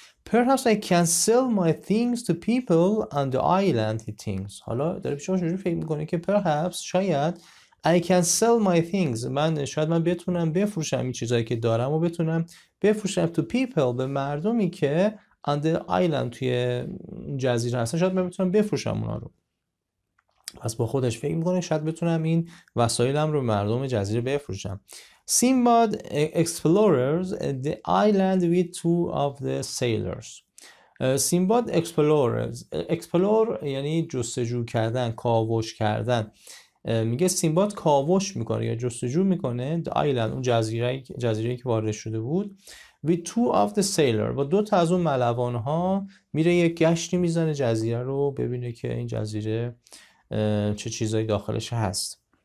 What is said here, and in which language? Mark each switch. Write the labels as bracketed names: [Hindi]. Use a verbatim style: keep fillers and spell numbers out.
[Persian] Perhaps I can sell my things to people on the island he thinks، حالا داره پیش اونجوری فکر میکنه که perhaps، شاید I can sell my things، من شاید من بتونم بفروشم این چیزایی که دارم و بتونم بفروشم to people، به مردمی که on the island توی جزیره هستن، شاید من بتونم بفروشم اونا رو. پس با خودش فکر میکنه شاید بتونم این وسایلم رو مردم جزیره بفروشم. [English] Sinbad explores the island with two of the sailors. [Persian] Sinbad explores، explore یعنی جستجو کردن، کاوش کردن، میگه سینباد کاوش میکنه یا جستجو میکنه the island، اون جزیره جزیره‌ای که وارد شده بود. with two of the sailor، با دو تا از اون ملوانها میره یک گشتی میزنه جزیره رو ببینه که این جزیره چه چیزایی داخلش هست.